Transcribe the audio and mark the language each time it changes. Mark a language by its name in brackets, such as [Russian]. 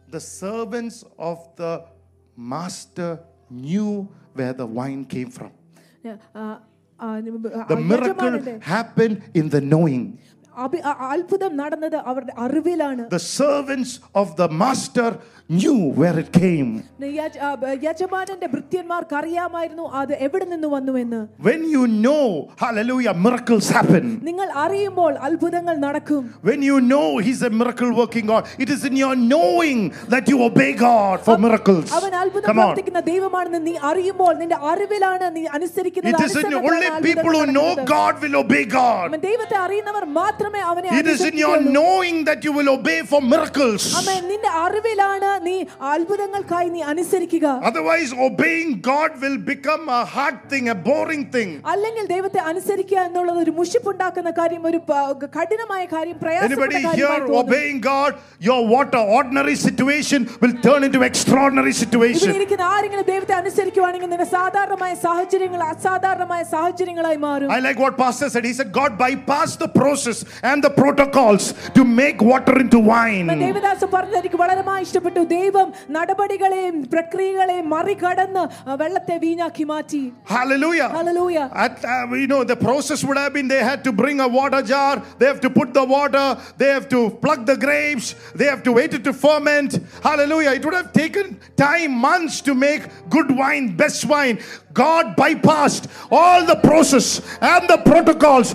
[English] The servants of the master knew where the wine came from. The miracle happened in the knowing. [Malayalam] അത്ഭുതം നടന്നത് അവരുടെ അറിവിലാണ്. [English] The servants of the master knew where it came. [Malayalam] യജമാനന്റെ ഭൃത്യന്മാർക്ക് അറിയാമായിരുന്നു അത് എവിടെ നിന്ന് വന്നു എന്ന്. [English] When you know, hallelujah, miracles happen. [Malayalam] നിങ്ങൾ അറിയുമ്പോൾ അത്ഭുതങ്ങൾ നടക്കും. [English] When you know he's a miracle working God, it is in your knowing that you obey God for miracles. [Malayalam] അവൻ അത്ഭുതം പ്രവർത്തിക്കുന്ന ദൈവമാണെന്ന് നീ അറിയുമ്പോൾ നിന്റെ അറിവിലാണ് നീ അനുസരിക്കുന്നത്. [English] It is in only people who know God will obey God. [Malayalam] ദൈവത്തെ അറിയുന്നവർ മാത്രം മാത്രമേ അവനെ അറിയൂ. [English] It is in your knowing that you will obey for miracles. [Malayalam] അമേ, നിന്റെ അറിവിലാണ് നീ അത്ഭുതങ്ങൾക്കായി നീ അനുസരിക്കുക. [English] Otherwise obeying God will become a hard thing, a boring thing. [Malayalam] അല്ലെങ്കിൽ ദൈവത്തെ അനുസരിക്കുക എന്നുള്ളത് ഒരു മുഷിപ്പുണ്ടാക്കുന്ന കാര്യം, ഒരു കഠിനമായ കാര്യം, പ്രയാസപ്പെട്ട കാര്യമായി തോന്നും. [English] Anybody here obeying God, your water ordinary situation will turn into extraordinary situation. [Malayalam] ഇരിക്കുന്ന ആരെങ്കിലും ദൈവത്തെ അനുസരിക്കുവാണെങ്കിൽ നിന്റെ സാധാരണമായ സാഹചര്യങ്ങൾ അസാധാരണമായ സാഹചര്യങ്ങളായി മാറും. [English] I like what pastor said. He said God bypass the process and the protocols to make water into wine. [Malayalam] ദൈവദാസ് പറഞ്ഞു, എനിക്ക് വളരെ ഇഷ്ടപ്പെട്ടു, ദൈവം നടപടികളെയും പ്രക്രിയകളെയും മറികടന്ന് വെള്ളത്തെ വീഞ്ഞാക്കി മാറ്റി. [English] Hallelujah. Hallelujah. You know the process would have been, they had to bring a water jar, they have to put the water, they have to pluck the grapes, they have to wait it to ferment. Hallelujah. It would have taken time, months to make good wine, best wine. God bypassed all the process and the protocols.